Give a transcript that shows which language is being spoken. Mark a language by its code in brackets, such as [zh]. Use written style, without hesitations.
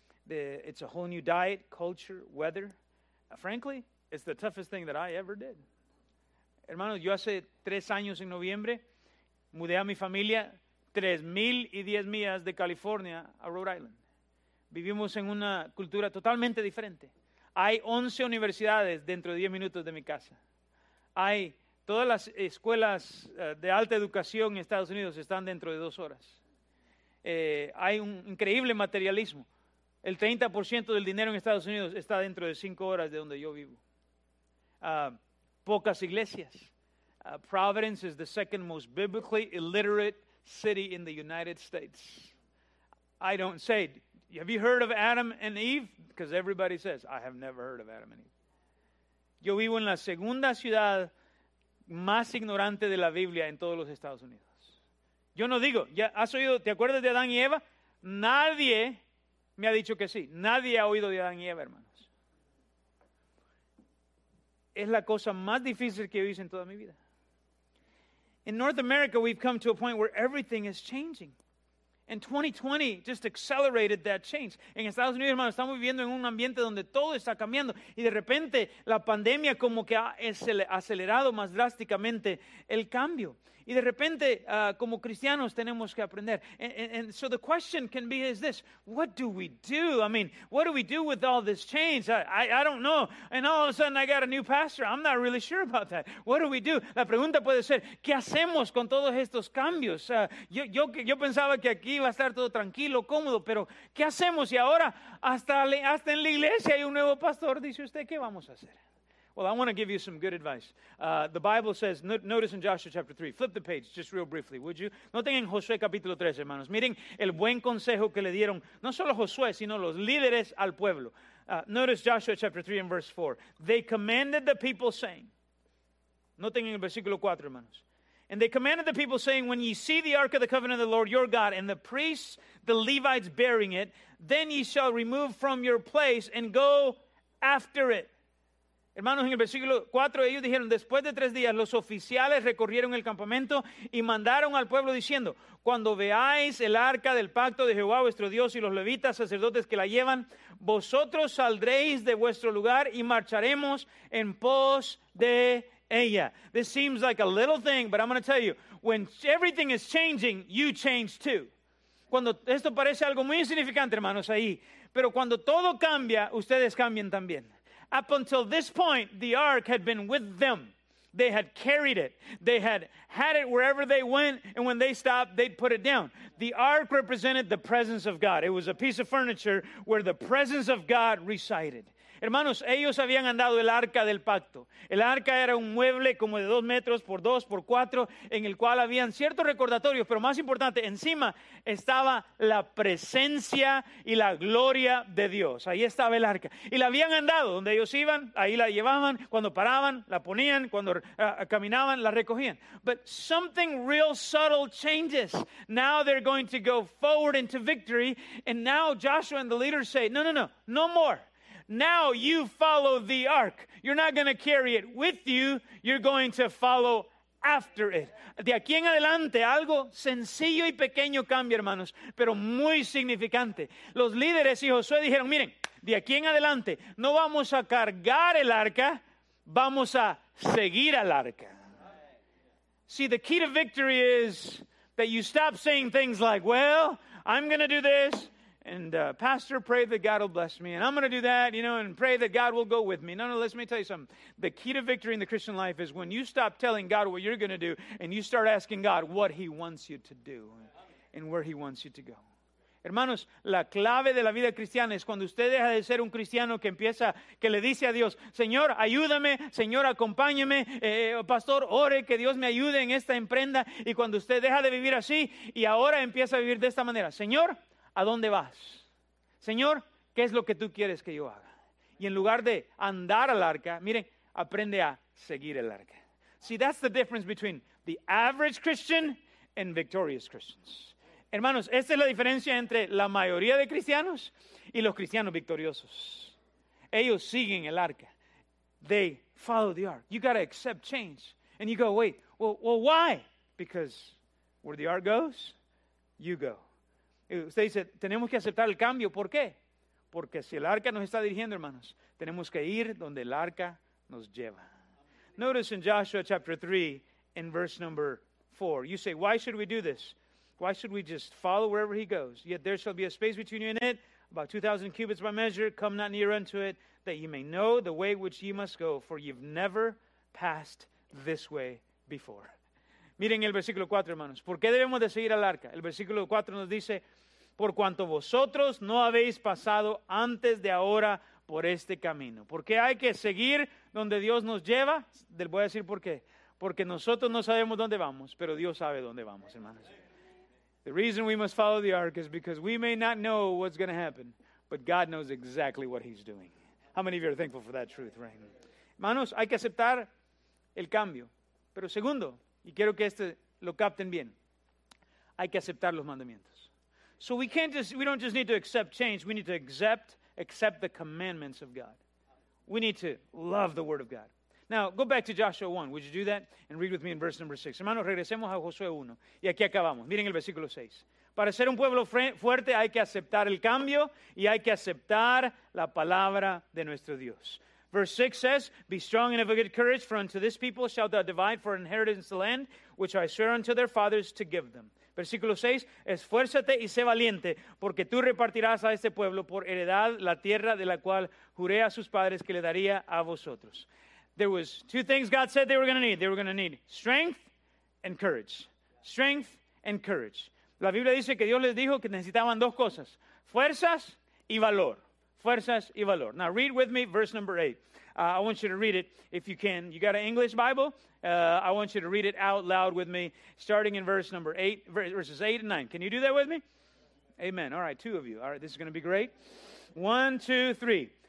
[en] It's a whole new diet, culture, weather. Frankly, it's the toughest thing that I ever did. [es] Hermanos, yo hace 3 años en noviembre mudé a mi familia 3,010 millas de California a Rhode Island. Vivimos en una cultura totalmente diferente. Hay 11 universidades dentro de 10 minutos de mi casa. Hay todas las escuelas de alta educación en Estados Unidos están dentro de 2 horas. Hay un increíble materialismo. El 30% del dinero en Estados Unidos está dentro de 5 horas de donde yo vivo. Pocas iglesias. [en] Providence is the second most biblically illiterate city in the United States. I don't say, have you heard of Adam and Eve? Because everybody says, I have never heard of Adam and Eve. [es] Yo vivo en la segunda ciudad más ignorante de la Biblia en todos los Estados Unidos. Yo no digo, ya has oído, ¿te acuerdas de Adán y Eva? Nadie me ha dicho que sí. Nadie ha oído de Adán y Eva, hermanos. Es la cosa más difícil que he visto en toda mi vida. [en] In North America, we've come to a point where everything is changing. And 2020 just accelerated that change. [es] En Estados Unidos, hermanos, estamos viviendo en un ambiente donde todo está cambiando. Y de repente, la pandemia como que ha acelerado más drásticamente el cambio. Y de repente, como cristianos, tenemos que aprender. [en] And so the question can be is this, what do we do? I mean, what do we do with all this change? I don't know. And all of a sudden, I got a new pastor. I'm not really sure about that. What do we do? [es] La pregunta puede ser, ¿qué hacemos con todos estos cambios? Yo pensaba que aquí iba a estar todo tranquilo, cómodo, pero ¿qué hacemos? Y ahora, hasta en la iglesia hay un nuevo pastor. Dice usted, ¿qué vamos a hacer? [en] Well, I want to give you some good advice. The Bible says, notice in Joshua chapter 3, flip the page just real briefly, would you? [es] Noten en Josué capítulo 3, hermanos. Miren el buen consejo que le dieron, no solo Josué, sino los líderes al pueblo. [en] Notice Joshua chapter 3 and verse 4. They commanded the people saying, [es] noten en el versículo 4, hermanos. [en] And they commanded the people saying, when ye see the ark of the covenant of the Lord your God and the priests, the Levites bearing it, then ye shall remove from your place and go after it. [es] Hermanos, en el versículo 4 ellos dijeron, después de tres días los oficiales recorrieron el campamento y mandaron al pueblo diciendo, cuando veáis el arca del pacto de Jehová vuestro Dios y los levitas sacerdotes que la llevan, vosotros saldréis de vuestro lugar y marcharemos en pos de ella. [en] This seems like a little thing, but I'm going to tell you, when everything is changing, you change too. [es] Cuando esto parece algo muy insignificante, hermanos, ahí, pero cuando todo cambia, ustedes cambian también. [en] Up until this point, the ark had been with them. They had carried it. They had had it wherever they went, and when they stopped, they'd put it down. The ark represented the presence of God. It was a piece of furniture where the presence of God resided. [es] Hermanos, ellos habían andado el arca del pacto. El arca era un mueble como de 2 metros por 2 por 4, en el cual habían ciertos recordatorios, pero más importante, encima estaba la presencia y la gloria de Dios. Ahí estaba el arca. Y la habían andado, donde ellos iban, ahí la llevaban, cuando paraban, la ponían, cuando caminaban, la recogían. [en] But something real subtle changes. Now they're going to go forward into victory, and now Joshua and the leaders say, no, no, no, no more. Now you follow the ark. You're not going to carry it with you. You're going to follow after it. [es] De aquí en adelante, algo sencillo y pequeño cambia, hermanos, pero muy significante. Los líderes y Josué dijeron, miren, de aquí en adelante, no vamos a cargar el arca, vamos a seguir al arca. [en] See, the key to victory is that you stop saying things like, well, I'm going to do this. And pastor, pray that God will bless me. And I'm going to do that, you know, and pray that God will go with me. No, no, let me tell you something. The key to victory in the Christian life is when you stop telling God what you're going to do and you start asking God what he wants you to do and where he wants you to go. [es] Hermanos, la clave de la vida cristiana es cuando usted deja de ser un cristiano que empieza, que le dice a Dios, Señor, ayúdame, Señor, acompáñame, pastor, ore que Dios me ayude en esta emprenda. Y cuando usted deja de vivir así y ahora empieza a vivir de esta manera, Señor, ¿a dónde vas? Señor, ¿qué es lo que tú quieres que yo haga? Y en lugar de andar al arca, miren, aprende a seguir el arca. [en] See, that's the difference between the average Christian and victorious Christians. [es] Hermanos, esta es la diferencia entre la mayoría de cristianos y los cristianos victoriosos. Ellos siguen el arca. [en] They follow the ark. You got to accept change. And you go, wait, well, why? Because where the ark goes, you go. [es] Usted dice, tenemos que aceptar el cambio. ¿Por qué? Porque si el arca nos está dirigiendo, hermanos, tenemos que ir donde el arca nos lleva. [en] Notice in Joshua chapter 3, in verse number 4, you say, why should we do this? Why should we just follow wherever he goes? Yet there shall be a space between you and it, about 2,000 cubits by measure. Come not near unto it, that ye may know the way which ye must go, for ye've never passed this way before. [es] Miren el versículo 4, hermanos. ¿Por qué debemos de seguir al arca? El versículo 4 nos dice, por cuanto vosotros no habéis pasado antes de ahora por este camino. ¿Por qué hay que seguir donde Dios nos lleva? Les voy a decir por qué. Porque nosotros no sabemos dónde vamos, pero Dios sabe dónde vamos, hermanos. [en] The reason we must follow the ark is because we may not know what's going to happen, but God knows exactly what he's doing. How many of you are thankful for that truth, right? [es] Hermanos, hay que aceptar el cambio. Pero segundo, y quiero que este lo capten bien, hay que aceptar los mandamientos. [en] So we don't just need to accept change, we need to accept the commandments of God. We need to love the word of God. Now, go back to Joshua 1. Would you do that? And read with me in verse number 6. [es] Hermanos, regresemos a Josué 1. Y aquí acabamos. Miren el versículo 6. Para ser un pueblo fuerte hay que aceptar el cambio y hay que aceptar la palabra de nuestro Dios. [en] Verse 6 says, be strong and of a good courage, for unto this people shalt thou divide for inheritance the land, which I swear unto their fathers to give them. [es] Versículo 6, esfuérzate y sé valiente, porque tú repartirás a este pueblo por heredad la tierra de la cual juré a sus padres que le daría a vosotros. [en] There was two things God said they were going to need. They were going to need strength and courage. Strength and courage. [es] La Biblia dice que Dios les dijo que necesitaban dos cosas, fuerzas y valor. Fuerzas y valor. [en] Now read with me verse number 8. I want you to read it if you can. You got an English Bible? I want you to read it out loud with me, starting in verse number 8, verses 8 and 9. Can you do that with me? Amen. All right, two of you. All right, this is going to be great. 1, 2, 3.